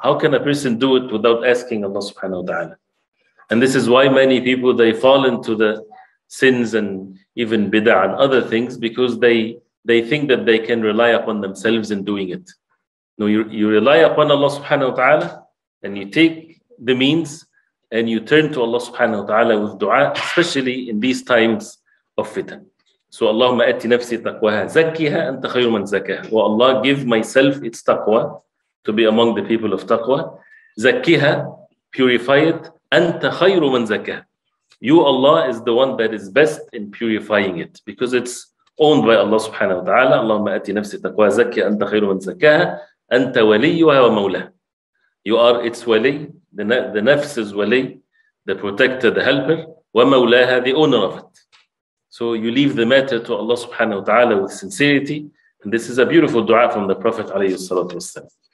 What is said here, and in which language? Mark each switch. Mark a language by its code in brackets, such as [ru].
[en] How can a person do it without asking Allah subhanahu wa ta'ala? And this is why many people, they fall into the sins and even bid'ah and other things, because they think that they can rely upon themselves in doing it. No, you rely upon Allah subhanahu wa ta'ala, and you take the means, and you turn to Allah subhanahu wa ta'ala with dua, especially in these times of fitan. [ar] So اللهم أتي نفسي تقواها زكيها أنت خير من زكاها. [en] Oh Allah, give myself its taqwa, to be among the people of taqwa. [ar] زكيها, [en] purify it. [ar] أنت خير من زكاها. [en] You Allah is the one that is best in purifying it, because it's owned by Allah subhanahu wa ta'ala. [ar] اللهم أتي نفسي تقواها زكيها أنت خير من زكاها. أنت وليها ومولاها. [en] You are its wali, the nafs is wali, the protector, the helper. ومولاها, the owner of it. So you leave the matter to Allah subhanahu wa ta'ala with sincerity. And this is a beautiful dua from the Prophet alayhi salatu wasalam.